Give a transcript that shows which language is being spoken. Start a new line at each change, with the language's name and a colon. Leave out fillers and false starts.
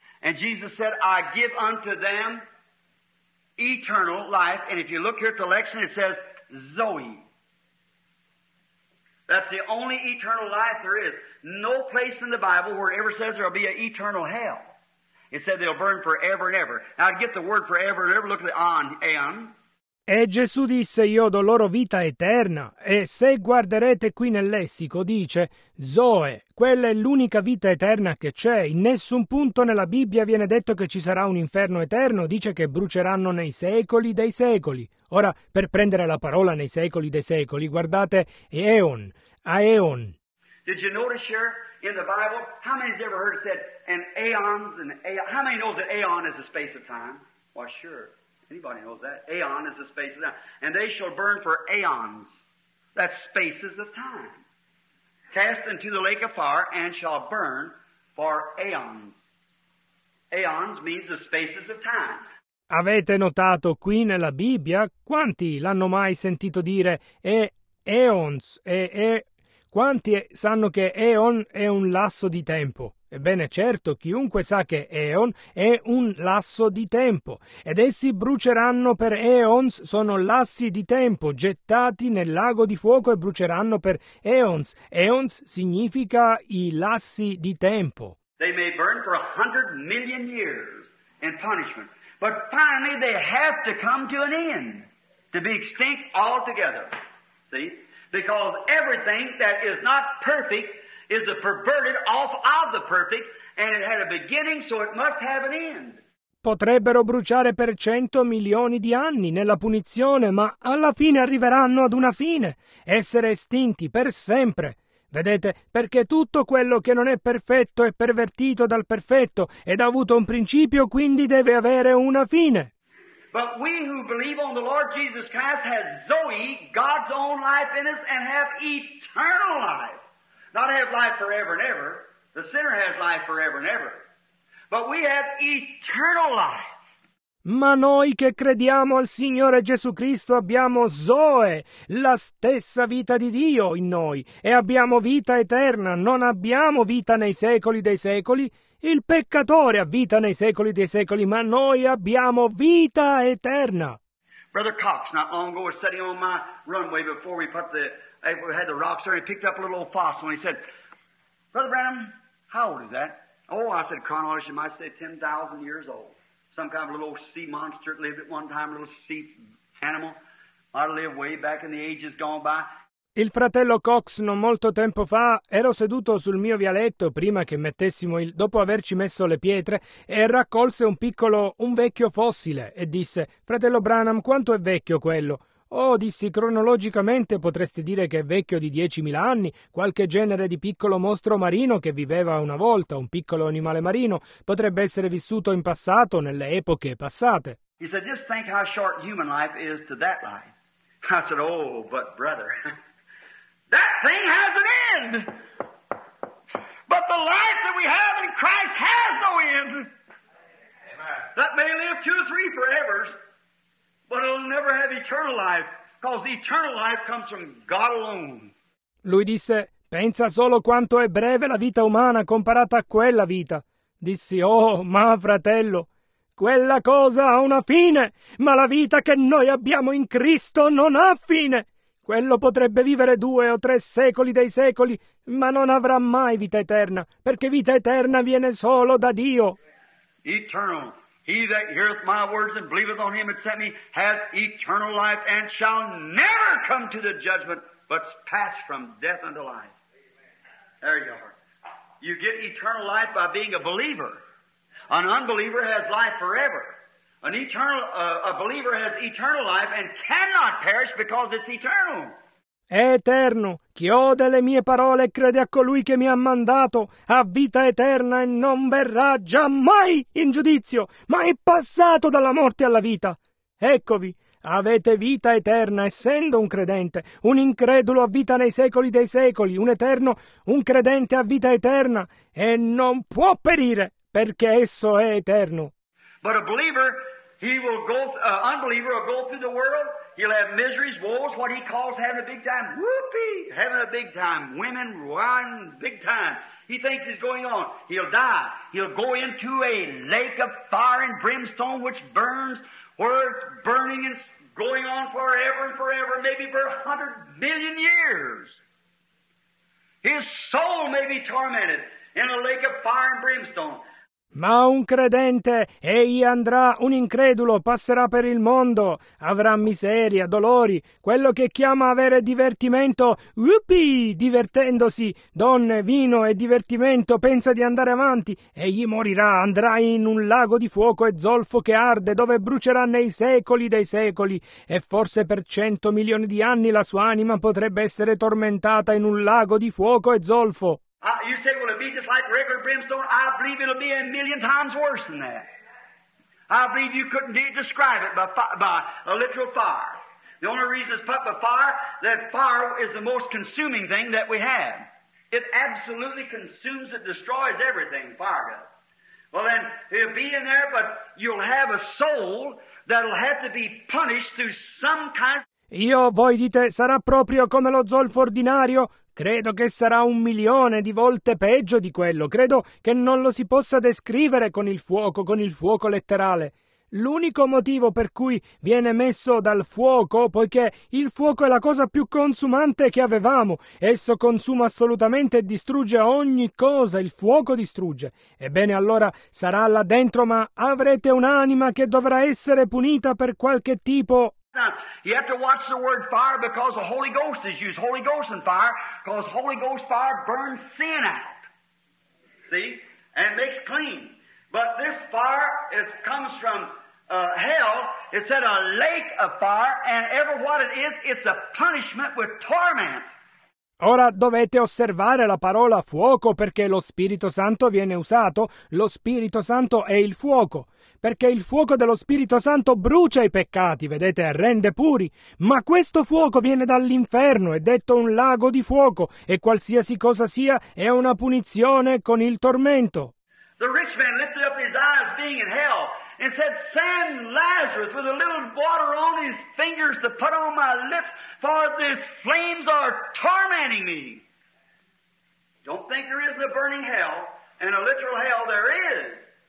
English: And Jesus said, I give unto them eternal life, and if you look here at the lexicon, it says Zoe. That's the only eternal life there is. No place in the Bible where it ever says there'll be an eternal hell. It said they'll burn forever and ever. Now, to get the word forever and ever, look at the on.
Italian: E Gesù disse, io do loro vita eterna, e se guarderete qui nel lessico, dice, Zoe, quella è l'unica vita eterna che c'è, in nessun punto nella Bibbia viene detto che ci sarà un inferno eterno, dice che bruceranno nei secoli dei secoli. Ora, per prendere la parola nei secoli dei secoli, guardate, aeon, aeon.
English: Did you notice here in the Bible, how many has ever heard it said, and aeons, and aeons, how many knows that aeon is a space of time? Well, sure. Anybody knows that? Aeon is the space of time. And they shall burn for aeons. That's spaces of time. Cast into the lake of fire and shall burn for aeons. Aeons means the spaces of time.
Italian: Avete notato qui nella Bibbia? Quanti l'hanno mai sentito dire aeons? Quanti sanno che aeon è un lasso di tempo? Ebbene, certo, chiunque sa che Eon è un lasso di tempo, ed essi bruceranno per Eons, sono lassi di tempo, gettati nel lago di fuoco e bruceranno per Eons. Eons significa i lassi di tempo.
English: They may burn for 100 million years in punishment, but finally they have to come to an end, to be extinct altogether. See? Because everything that is not perfect is a perverted off of the perfect, and it had a beginning, so it must have an end.
Italian: Potrebbero bruciare per 100 milioni di anni nella punizione, ma alla fine arriveranno ad una fine, essere estinti per sempre. Vedete, perché tutto quello che non è perfetto è pervertito dal perfetto ed ha avuto un principio, quindi deve avere una fine.
English: But we who believe on the Lord Jesus Christ have Zoe, God's own life in us, and have eternal life. Not have life forever and ever. The sinner has life forever and ever. But we have eternal life.
Italian: Ma noi che crediamo al Signore Gesù Cristo abbiamo Zoe, la stessa vita di Dio in noi, e abbiamo vita eterna, non abbiamo vita nei secoli dei secoli. Il peccatore ha vita nei secoli dei secoli, ma noi abbiamo vita eterna.
English: Brother Cox, not long ago, was sitting on my runway before we had the rocks there, and he picked up a little old fossil, and he said, Brother Branham, how old is that? Oh, I said, chronologically, you might say 10,000 years old. Some kind of little sea monster that lived at one time, a little sea animal. Might have lived way back in the ages gone by.
Italian: Il fratello Cox, non molto tempo fa, ero seduto sul mio vialetto prima che mettessimo il... dopo averci messo le pietre, e raccolse un vecchio fossile, e disse, fratello Branham, quanto è vecchio quello? Oh, dissi, cronologicamente potresti dire che è vecchio di 10.000 anni, qualche genere di piccolo mostro marino che viveva una volta, un piccolo animale marino, potrebbe essere vissuto in passato, nelle epoche passate.
English: He said, just think how short human life is to that life. I said, oh, but brother... That thing has an end. But the life that we have in Christ has no end. Amen. That may live 2 or 3 forever, but it'll never have eternal life, because eternal life comes from God alone.
Italian: Lui disse, pensa solo quanto è breve la vita umana comparata a quella vita. Dissi, oh, ma fratello, quella cosa ha una fine, ma la vita che noi abbiamo in Cristo non ha fine. Quello potrebbe vivere 2 o 3 secoli dei secoli, ma non avrà mai vita eterna, perché vita eterna viene solo da Dio.
English: Eternal. He that heareth my words and believeth on him that sent me hath eternal life and shall never come to the judgment, but pass from death unto life. There you are. You get eternal life by being a believer. An unbeliever has life forever. A believer has eternal life and cannot perish because it's eternal.
Italian: È eterno. Chi ode le mie parole e crede a colui che mi ha mandato ha vita eterna e non verrà giammai in giudizio, ma è passato dalla morte alla vita. Eccovi, avete vita eterna essendo un credente. Un incredulo ha vita nei secoli dei secoli. Un eterno, un credente ha vita eterna e non può perire perché esso è eterno.
English: But a believer, unbeliever will go through the world. He'll have miseries, woes, what he calls having a big time. Whoopee! Having a big time. Women, wine, big time. He thinks he's going on. He'll die. He'll go into a lake of fire and brimstone which burns, where it's burning and going on forever and forever, maybe for 100 million years. His soul may be tormented in a lake of fire and brimstone.
Italian: Ma un credente, egli andrà, un incredulo, passerà per il mondo, avrà miseria, dolori, quello che chiama avere divertimento, whoopee, divertendosi, donne, vino e divertimento, pensa di andare avanti, egli morirà, andrà in un lago di fuoco e zolfo che arde, dove brucerà nei secoli dei secoli, e forse per 100 milioni di anni la sua anima potrebbe essere tormentata in un lago di fuoco e zolfo.
English: You say, will it be just like regular brimstone? I believe it'll be a million times worse than that. I believe you couldn't describe it by a literal fire. The only reason it's put by fire, that fire is the most consuming thing that we have. It absolutely consumes, it destroys everything, fire does. Well then, it'll be in there, but you'll have a soul that'll have to be punished through some kind of...
Italian: Io, voi dite, sarà proprio come lo zolfo ordinario? Credo che sarà un milione di volte peggio di quello. Credo che non lo si possa descrivere con il fuoco letterale. L'unico motivo per cui viene messo dal fuoco, poiché il fuoco è la cosa più consumante che avevamo. Esso consuma assolutamente e distrugge ogni cosa. Il fuoco distrugge. Ebbene, allora sarà là dentro, ma avrete un'anima che dovrà essere punita per qualche tipo.
English: You have to watch the word fire because the Holy Ghost is used. Holy Ghost and fire, because Holy Ghost fire burns sin out. See? And makes clean. But this fire, it comes from hell. It said a lake of fire, and ever what it is, it's a punishment with torment.
Italian: Ora dovete osservare la parola fuoco, perché lo Spirito Santo viene usato. Lo Spirito Santo è il fuoco, perché il fuoco dello Spirito Santo brucia i peccati, vedete, rende puri. Ma questo fuoco viene dall'inferno, è detto un lago di fuoco, e qualsiasi cosa sia è una punizione con il tormento.
English: The rich man lifted up his eyes being in hell and said, send Lazarus with a little water on his fingers to put on my lips, for these flames are tormenting me. Don't think there isn't a burning hell and a literal hell. There is.